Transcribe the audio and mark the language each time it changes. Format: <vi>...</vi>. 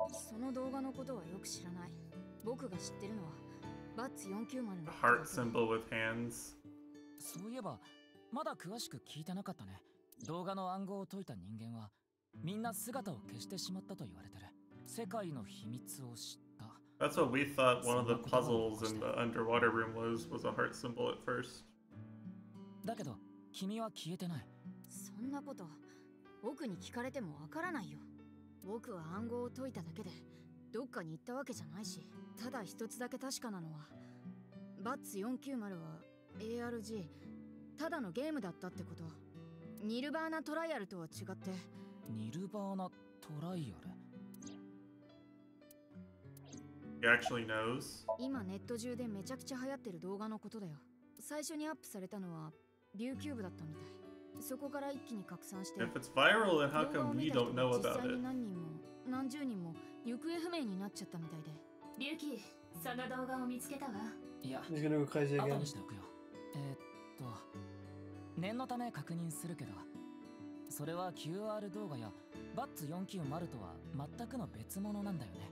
<ja>その動画のことはよく知らない。僕が知ってるのはバッツ490の</ja> <en>heart symbol with hands。</en> <ja>そういえばまだ詳しく聞いてなかったね。動画の暗号を解いた人間はみんな姿を消してしまったと言われてる。世界の秘密を知った。</ja> <en>That's what we thought one of the puzzles in the underwater room was a heart symbol at first。</en> <ja>だけど君は消えてない。そんなこと僕に聞かれてもわからないよ。僕は暗号を解いただけでどっかに行ったわけじゃないし、ただ一つだけ確かなのはバッツ490は ARG、 ただのゲームだったってこと。ニルバーナトライアルとは違って。ニルバーナトライアル、</ja> <en>He actually knows。</en> <ja>今ネット中でめちゃくちゃ流行ってる動画のことだよ。最初にアップされたのはビューキューブだったみたい。そこから一気に拡散して、</ja> <en>If it's viral, then how come we don't know about it?</en> <ja>実際に何人も何十人も行方不明になっちゃったみたいで。リュウキ、その動画を見つけたわ。いや、なかなか怪獣が後にしておくよ。念のため確認するけど、それは QR 動画やバッツ490とは全くの別物なんだよね。</ja>